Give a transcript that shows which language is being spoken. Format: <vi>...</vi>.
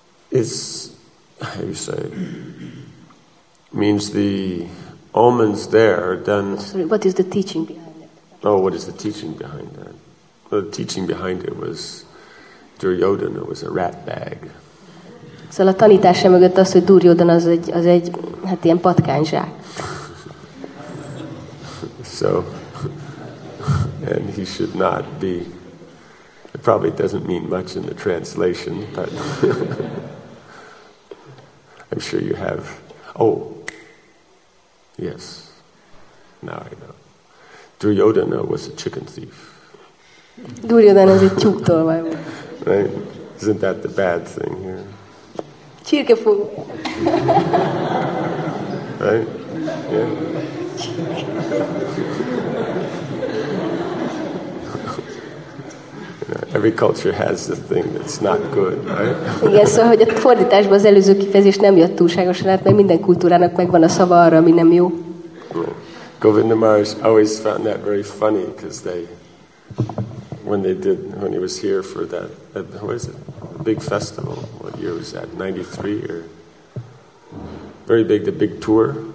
<en>It's, how you say, means the omens there, then... Sorry, what is the teaching behind it? Oh, what is the teaching behind that? Well, the teaching behind it was Duryodhana was a rat bag.</en> <hu>Szóval a tanítás sem mögött az, hogy Duryodhana az egy hát ilyen patkányzsák.</hu> <en>So, and he should not be, it probably doesn't mean much in the translation, but I'm sure you have, oh, yes, now I know. Duryodhana was a chicken thief.</en> <hu>Duryodhana az egy tyúktolvaj volt.</hu> <en>Right? Isn't that the bad thing here?</en> <hu>Csirkefogó.</hu> <en>Right? Yeah. Every culture has the thing that's not good, right?</en> <hu>Igen, szóval, hogy a fordításban az előző kifejezés nem jött túlságosan át, mert minden kultúrának megvan a szava arra, ami nem jó.</hu> <en>Govinda Maharaj always found that very funny, because they, when they did, when he was here for that, what was it, a big festival, what year was that, 93 or, very big, the big tour.</en>